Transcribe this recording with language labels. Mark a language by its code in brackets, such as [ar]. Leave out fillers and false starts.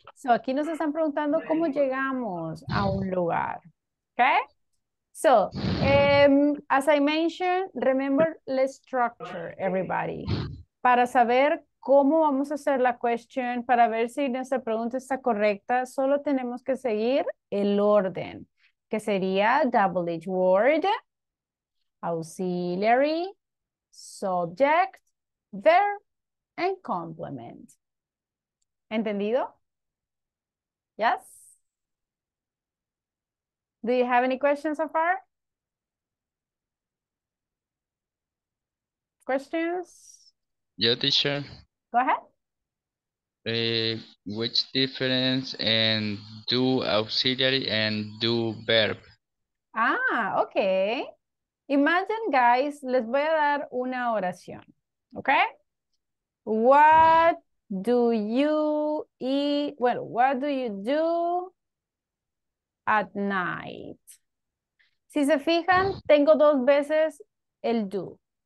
[en] So [es] aquí nos están preguntando cómo llegamos a un lugar. [en] Okay. So, as I mentioned, remember the structure, everybody. [es] Para saber cómo vamos a hacer la question, para ver si nuestra pregunta está correcta, solo tenemos que seguir el orden, que sería [en] WH word, auxiliary, subject, verb, and complement. [es] ¿Entendido? Yes? [en] Do you have any questions so far? Questions? Yeah, teacher. Go ahead. Which difference in do auxiliary and do verb? Ah, okay. Imagine, guys, [es] les voy a dar una oración. [en] Okay? What do you do at night? [es] Si se fijan, tengo dos veces el do.